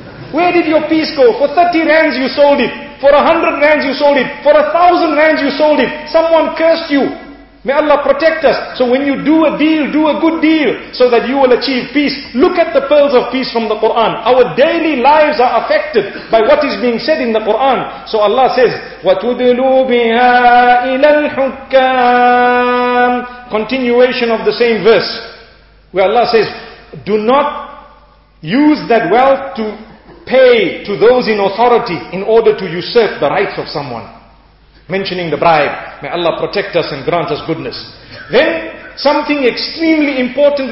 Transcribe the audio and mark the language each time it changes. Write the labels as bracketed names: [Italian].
[English] Where did your peace go? For 30 rands, you sold it. For 100 rands, you sold it. For 1,000 rands, you sold it. Someone cursed you. May Allah protect us. So when you do a deal, do a good deal so that you will achieve peace. Look at the pearls of peace from the Quran. Our daily lives are affected by what is being said in the Quran. So Allah says, [Arabic] وَتُدْلُوا بِهَا إِلَى الْحُكَّامِ. [English] Continuation of the same verse. Where Allah says, do not use that wealth to pay to those in authority in order to usurp the rights of someone. Mentioning the bribe. May Allah protect us and grant us goodness. Then, something extremely important.